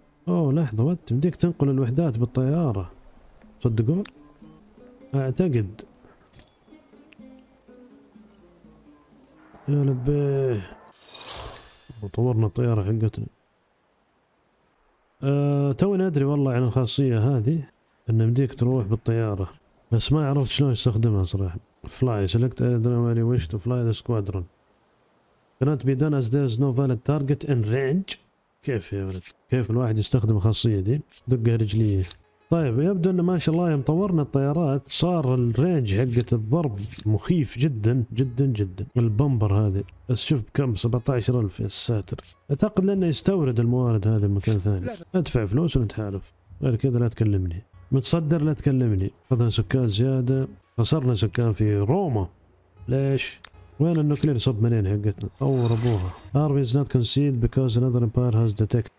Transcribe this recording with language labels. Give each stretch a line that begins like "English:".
Arabic: اوه لحظة وات مديك تنقل الوحدات بالطيارة. صدقوا اعتقد يا لبيه طورنا الطيارة حقتنا. توني ادري والله عن الخاصية هذه ان مديك تروح بالطيارة بس ما عرفت شلون استخدمها صراحة.
English: fly select
Arabic: ادري وش
English: To fly the squadron. Cannot be done as there is no valid target in range.
Arabic: كيف يا ولد؟ كيف الواحد يستخدم الخاصية دي؟ دقها رجلية. طيب يبدو ان ما شاء الله يوم طورنا الطيارات صار الرينج حقة الضرب مخيف جدا جدا جدا. البمبر هذه بس شوف بكم 17000 يا ساتر. اعتقد لانه يستورد الموارد هذه من مكان ثاني. ادفع فلوس ونتحالف. غير كذا لا تكلمني. متصدر لا تكلمني. خذنا سكان زيادة. خسرنا سكان في روما. ليش؟ وين النوكلير صب منين حقتنا؟ طور ابوها.
English: Army is not concealed because another empire has detected.